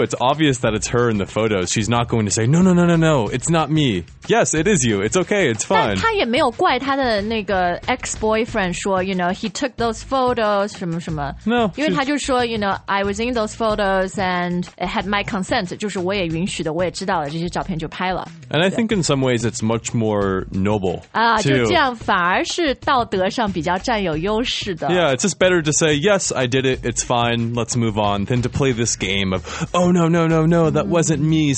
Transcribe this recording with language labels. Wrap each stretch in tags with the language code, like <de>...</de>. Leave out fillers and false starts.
<en>It's obvious that it's her in the photos. She's not going to say, no, no, no, no, no, it's not me. Yes, it is you. It's okay. It's fine.</en> <zh>但她也没有怪她的那个 ex-boyfriend 说</zh> <en>you know, he took those photos,</en> <zh>什么什么</zh> <en>No.</en> <zh>因为她就说</zh> <en>you know, I was in those photos and it had my consent.</en> <zh>就是我也允许的我也知道了这些照片就拍了</zh> <en>And I think in some ways it's much more noble, too.</en> <zh>就这样反而是道德上比较占有优势的</zh> <en>Yeah, it's just better to say, yes, I did it. It's fine. Let's move on. Than to play this game of, oh, no, no, no, no, that wasn't me.</en>